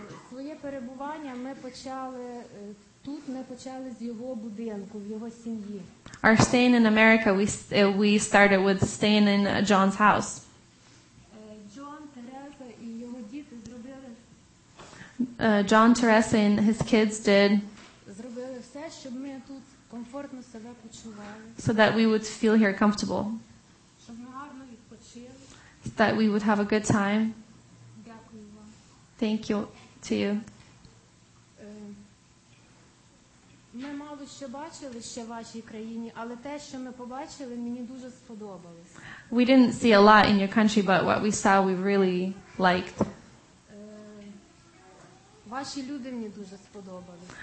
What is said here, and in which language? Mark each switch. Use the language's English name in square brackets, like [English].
[Ukrainian] Своє перебування ми почали тут, ми почали з його будинку, в його сім'ї. [English] Our stay in America, we started with staying in John's house. [Ukrainian] John, Тереза і його діти зробили. [English] John, Teresa and his kids did. [Ukrainian] Щоб ми тут комфортно себе почували. [English] So that we would feel here comfortable. [Ukrainian] Щоб ми гарно відпочили. [English] So that we would have a good time. [Ukrainian] Дякую вам. [English] Thank you to you. [Ukrainian] Ми мало що бачили ще в вашій країні, але те, що ми побачили, мені дуже сподобалось. [English] We didn't see a lot in your country, but what we saw, we really liked. [Ukrainian] Ваші люди мені дуже сподобались.